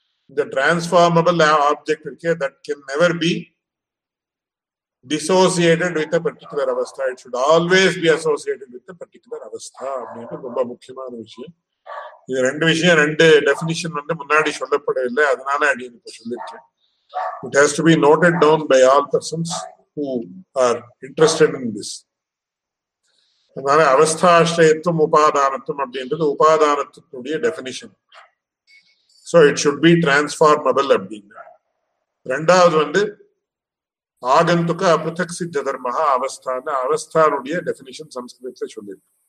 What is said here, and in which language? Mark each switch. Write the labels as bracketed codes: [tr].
[en] இந்த transformable object இருக்கே, that can never be dissociated with a particular அவஸ்தா, it should always be associated with a particular அவஸ்தா [ta] அப்படின்னு ரொம்ப முக்கியமான விஷயம். இது ரெண்டு விஷயம், ரெண்டு டெபினிஷன் வந்து முன்னாடி சொல்லப்படவில்லை, அதனால அப்படி இப்ப சொல்லிருக்கேன். [en] It has to be noted down by all persons who are interested in this. [ta] அதனால அவஸ்தாஷ்டயத்துவம் உபாதானத்துவம் அப்படின்றது உபாதானத்துடைய definition. [en] So it should be transformable [ta] அப்படின்னா. ரெண்டாவது வந்து [sa] ஆகந்துக்க அபிருதக் சித்த தர்மஹா அவஸ்தான, [ta] அவஸ்தானுடைய டெபினிஷன் சம்ஸ்கிருதத்தில் சொல்லியிருக்கு.